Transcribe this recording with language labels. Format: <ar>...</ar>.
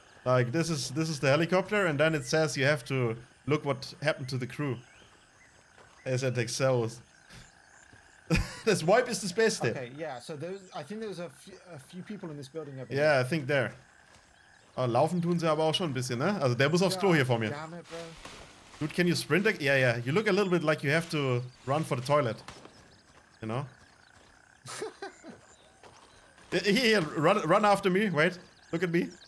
<en>Like, this is the helicopter, and then it says you have to look what happened to the crew. As it excels. This wipe is the best there. Okay, yeah, so I think there's a few people in this building. Yeah, there. I think there.</en> <de>Oh, laufen tun sie aber auch schon ein bisschen, ne? Also, der muss aufs Klo hier vor mir.</de> <en>Damn it, bro. Dude, can you sprint? Yeah, yeah. You look a little bit like you have to run for the toilet. You know? here, run after me. Wait. Look at me.</en>